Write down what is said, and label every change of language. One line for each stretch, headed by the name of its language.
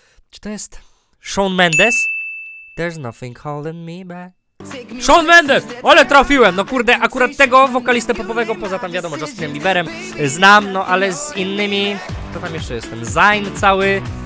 Polish: Czy to jest Shawn Mendes?
English: There's nothing holding me back.
Polish: Shawn Mendes! Ale trafiłem! No kurde, akurat tego wokalistę popowego, poza tam wiadomo Justinem Bieberem, znam, no ale z innymi... Kto tam jeszcze jest? Ten Zayn cały.